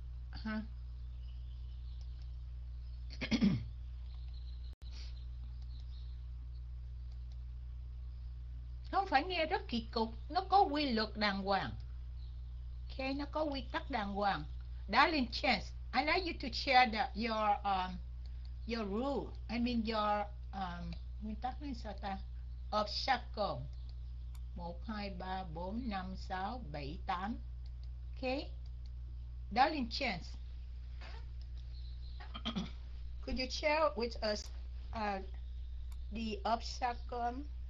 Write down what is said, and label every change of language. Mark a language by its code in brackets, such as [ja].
[vi] Hả? Không phải nghe rất kỳ cục, nó có quy luật đàng hoàng. Okay, nó có quy tắc đàng hoàng. [en] Darling Chance, I like you to share your rule. I mean your [vi] nguyên tắc này sao ta? [en] Obstacle. 1, 2, 3, 4, 5, 6, 7, 8. Okay. Darling Chance. Could you share with us the obstacle?